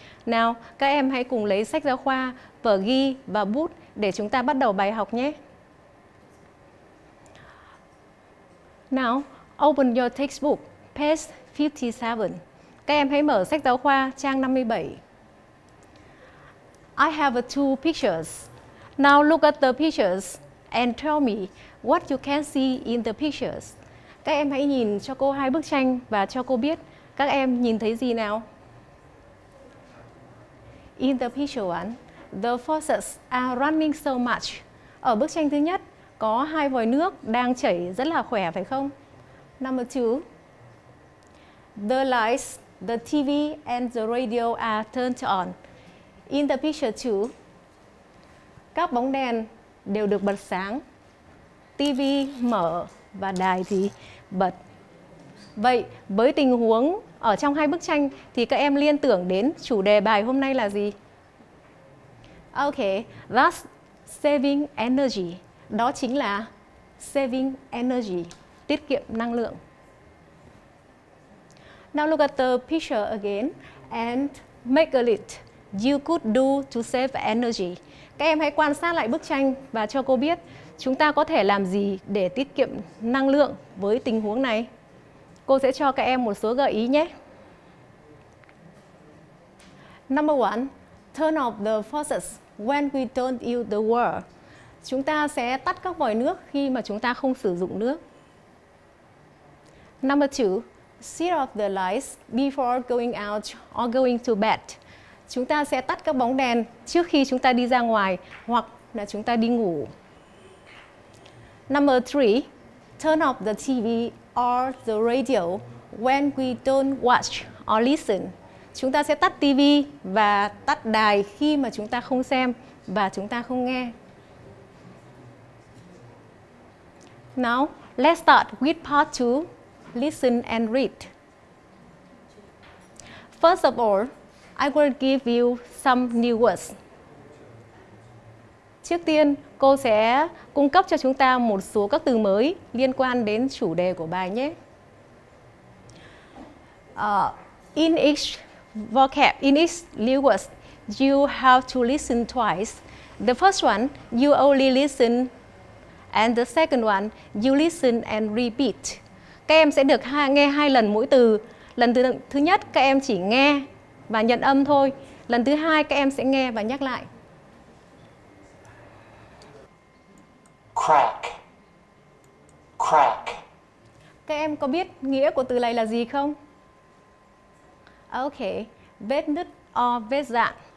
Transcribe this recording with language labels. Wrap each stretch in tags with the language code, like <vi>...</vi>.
<vi>Nào, các em hãy cùng lấy sách giáo khoa, vở ghi và bút để chúng ta bắt đầu bài học nhé.</vi> <en>Now, open your textbook, page 57.</en> <vi>Các em hãy mở sách giáo khoa trang 57.</vi> <en>I have two pictures. Now look at the pictures and tell me what you can see in the pictures.</en> <vi>Các em hãy nhìn cho cô hai bức tranh và cho cô biết các em nhìn thấy gì nào.</vi> <en>In the picture one, the faucets are running so much.</en> <vi>Ở bức tranh thứ nhất, có hai vòi nước đang chảy rất là khỏe phải không?</vi> <en>Number two, the lights, the TV and the radio are turned on. In the picture two,</en> <vi>các bóng đèn đều được bật sáng. TV mở và đài thì bật. Vậy với tình huống ở trong hai bức tranh thì các em liên tưởng đến chủ đề bài hôm nay là gì?</vi> <en>Okay, that's saving energy.</en> <vi>Đó chính là saving energy, tiết kiệm năng lượng.</vi> <en>Now look at the picture again and make a list you could do to save energy.</en> <vi>Các em hãy quan sát lại bức tranh và cho cô biết chúng ta có thể làm gì để tiết kiệm năng lượng với tình huống này. Cô sẽ cho các em một số gợi ý nhé.</vi> <en>Number one, turn off the faucets when we don't use the water.</en> <vi>Chúng ta sẽ tắt các vòi nước khi mà chúng ta không sử dụng nước.</vi> <en>Number two, shut off the lights before going out or going to bed.</en> <vi>Chúng ta sẽ tắt các bóng đèn trước khi chúng ta đi ra ngoài hoặc là chúng ta đi ngủ.</vi> <en>Number three, turn off the TV or the radio when we don't watch or listen.</en> <vi>Chúng ta sẽ tắt TV và tắt đài khi mà chúng ta không xem và chúng ta không nghe.</vi> <en>Now, let's start with part two, listen and read. First of all, I will give you some new words.</en> <vi>Trước tiên, cô sẽ cung cấp cho chúng ta một số các từ mới liên quan đến chủ đề của bài nhé.</vi> <en>In each vocab, in each new words, you have to listen twice. The first one, you only listen. And the second one, you listen and repeat.</en> <vi>Các em sẽ được nghe hai lần mỗi từ. Lần thứ nhất, các em chỉ nghe và nhận âm thôi. Lần thứ hai, các em sẽ nghe và nhắc lại.</vi> <en>Crack. Crack.</en> <vi>Các em có biết nghĩa của từ này là gì không? Okay, vết nứt or vết dạng.</vi>